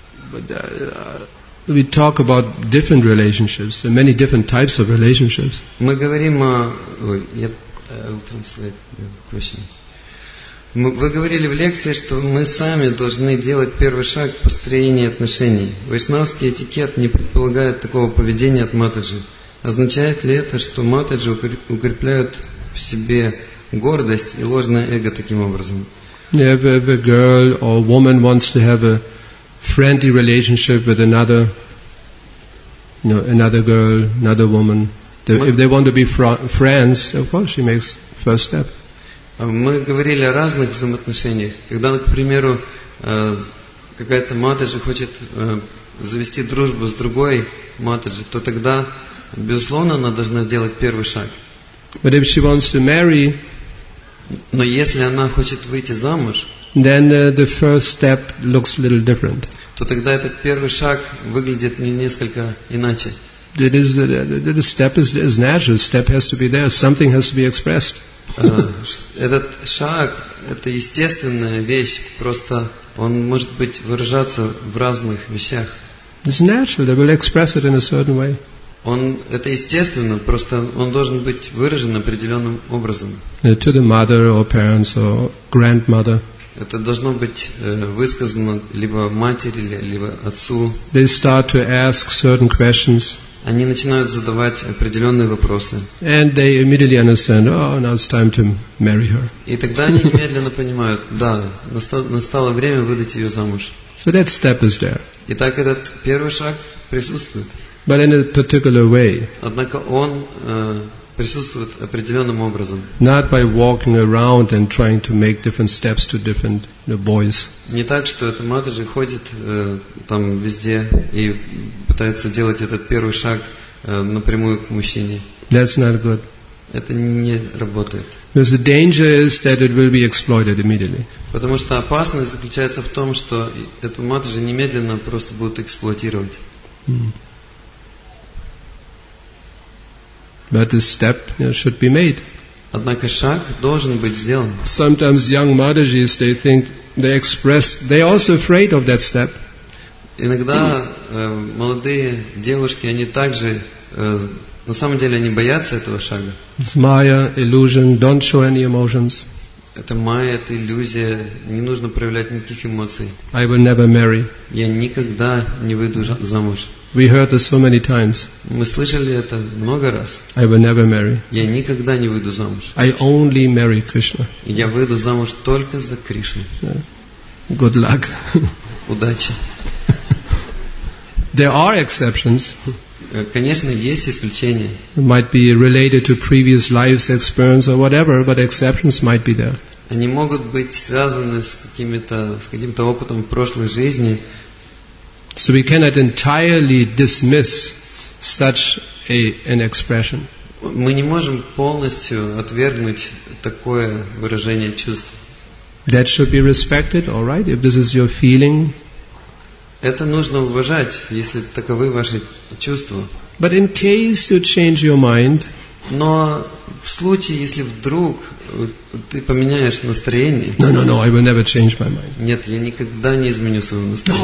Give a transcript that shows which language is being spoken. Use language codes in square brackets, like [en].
[en] But we talk about different relationships, so many different types of relationships. [ru] Мы говорим о, [en] I'll translate the question. [ru] Вы говорили в лекции, что мы сами должны делать первый шаг к построению отношений. Вайшнавский этикет не предполагает такого поведения от Матаджи. Означает ли это, что Матаджи укрепляют в себе гордость и ложное эго таким образом? [en] If a girl or woman wants to have a friendly relationship with another, another girl, another woman, if they want to be friends, of course she makes first step. [ru] Мы говорили о разных взаимоотношениях. Когда, к примеру, какая-то матаджи хочет завести дружбу с другой матаджи, то тогда, безусловно, она должна сделать первый шаг. [en] But if she wants to marry, [ru] но если она хочет выйти замуж, [en] then the first step looks a little different. [ru] То тогда этот первый шаг выглядит несколько иначе. [en] It is, the step is natural. Step has to be there. Something has to be expressed. [ru] Этот шаг – это естественная вещь, просто он может быть выражаться в разных вещах. [en] It's natural, they will express it in a certain way. [ru] Это естественно, просто он должен быть выражен определенным образом. [en] To the mother or parents or grandmother. [ru] Это должно быть высказано либо матери, либо отцу. [en] They start to ask certain questions. [ru] Они начинают задавать определенные вопросы. [en] And they immediately understand, oh, now it's time to marry her. [ru] И тогда они немедленно понимают, да, настало время выдать ее замуж. [en] So that step is there. [ru] Итак, этот первый шаг присутствует. [en] But in a particular way. [ru] Однако он присутствует определенным образом. [en] Not by walking around and trying to make different steps to different boys. [ru] Не так, что эта матаджи ходит там везде и пытается делать этот первый шаг напрямую к мужчине. [en] That's not good. [ru] Это не работает. [en] Because the danger is that it will be exploited immediately. [ru] Потому что опасность заключается в том, что эту матаджи немедленно просто будут эксплуатировать. [en] But the step should be made. [ru] Однако шаг должен быть сделан. [en] Sometimes young Madhajis, they think, they express, they're also afraid of that step. [ru] Иногда молодые девушки, они также, на самом деле, они боятся этого шага. [en] It's Maya, illusion, don't show any emotions. [ru] Это Maya, это иллюзия, не нужно проявлять никаких эмоций. [en] I will never marry. [ru] Я никогда не выйду замуж. [en] We heard this so many times. [ru] Мы слышали это много раз. [en] I will never marry. [ru] Я никогда не выйду замуж. [en] I only marry Krishna. [ru] Я выйду замуж только за Кришну. [en] Yeah. Good luck. [ru] Удачи. [en] There are exceptions. [ru] Конечно, есть исключения. [en] It might be related to previous lives, experience or whatever, but exceptions might be there. [ru] Они могут быть связаны с каким-то опытом в прошлой жизни. [en] So we cannot entirely dismiss such an expression. [ru] Мы не можем полностью отвергнуть такое выражение чувств. [en] That should be respected, all right, if this is your feeling. [ru] Это нужно уважать, если таковы ваши чувства. [en] But in case you change your mind, [ru] но в случае, если вдруг ты поменяешь настроение. [en] No, I will never change my mind. [ru] Нет, я никогда не изменю своего настроения.